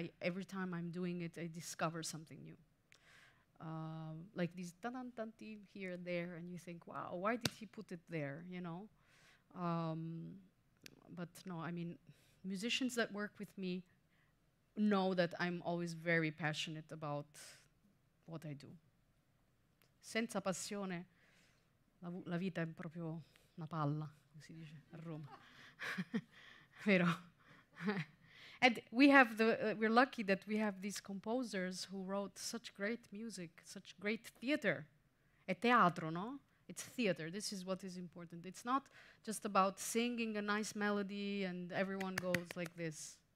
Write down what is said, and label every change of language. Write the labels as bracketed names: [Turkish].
[English] Every time I'm doing it, I discover something new. Like these ta-dan-ta-ti here and there, and you think, wow, why did he put it there, you know? But no, I mean, musicians that work with me know that I'm always very passionate about what I do. [Italian] Senza passione, la vita è proprio una palla, come si dice a Roma. Vero? [English] And we have we're lucky that we have these composers who wrote such great music, such great theater. [Italian] È teatro, no? [English] It's theater. This is what is important. It's not just about singing a nice melody and everyone goes like this.